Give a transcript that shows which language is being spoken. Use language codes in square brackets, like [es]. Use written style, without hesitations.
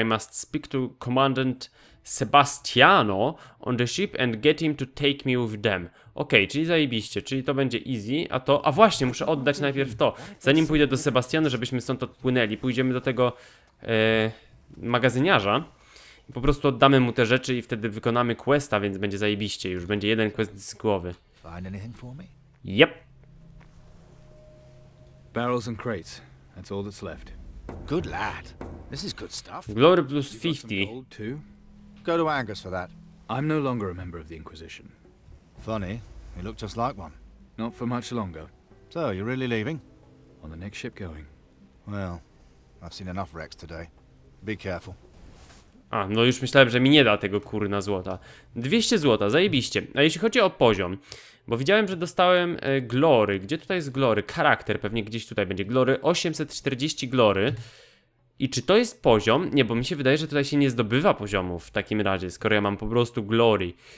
[en] I must speak to Commandant Sebastiano on the ship and get him to take me with them. [pl] Okej, okay, czyli zajebiście, czyli to będzie easy, a to... A właśnie, muszę oddać najpierw to. Zanim pójdę do Sebastiano, żebyśmy stąd odpłynęli, pójdziemy do tego... magazyniarza i po prostu oddamy mu te rzeczy i wtedy wykonamy questa, więc będzie zajebiście, już będzie jeden quest z głowy. [en] Yep. Barrels and crates. That's all that's left. Good lad. This is good stuff. Glory plus 50. Go to Angus for that. I'm no longer a member of the Inquisition. Funny. You look just like one. Not for much longer. So, you're really leaving? On the next ship going. Well, I've seen enough wrecks today. Be careful. [pl] A, no już myślałem, że mi nie da tego kurna złota. 200 złota, zajebiście. A jeśli chodzi o poziom, bo widziałem, że dostałem glory. Gdzie tutaj jest glory? Charakter pewnie gdzieś tutaj będzie. Glory 840 glory. I czy to jest poziom? Nie, bo mi się wydaje, że tutaj się nie zdobywa poziomu w takim razie, skoro ja mam po prostu glory.